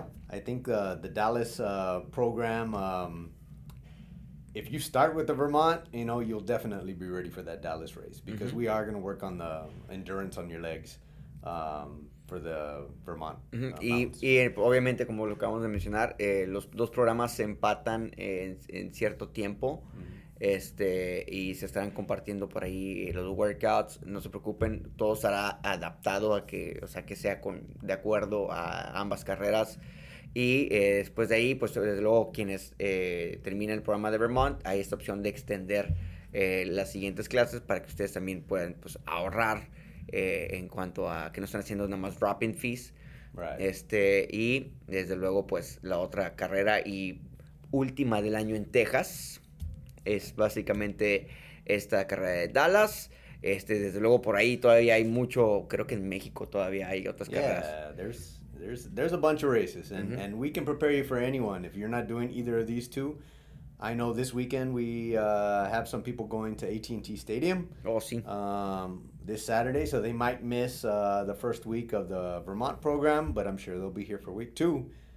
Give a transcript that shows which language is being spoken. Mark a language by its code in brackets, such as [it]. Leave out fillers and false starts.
[en] I think the Dallas program, if you start with the Vermont, you know, you'll definitely be ready for that Dallas race. Because mm-hmm. we are going to work on the endurance on your legs. For the Vermont. [es] Y obviamente, como lo acabamos de mencionar, los dos programas se empatan en cierto tiempo. Mm-hmm. Y se estarán compartiendo por ahí los workouts. No se preocupen, todo estará adaptado a que, o sea, que sea de acuerdo a ambas carreras. Y después de ahí, pues desde luego, quienes terminen el programa de Vermont, hay esta opción de extender las siguientes clases para que ustedes también puedan, pues, ahorrar. En cuanto a que no están haciendo nada más dropping fees. Right. Y desde luego, pues, la otra carrera y última del año en Texas es básicamente esta carrera de Dallas. Desde luego, por ahí todavía hay mucho, creo que en México todavía hay otras carreras. [en] Yeah, there's a bunch of races and, mm-hmm. and we can prepare you for anyone if you're not doing either of these two. I know this weekend we have some people going to AT&T Stadium. [es] Oh, sí. [en] This Saturday, so they might miss the first week of the Vermont program, but I'm sure they'll be here for week two.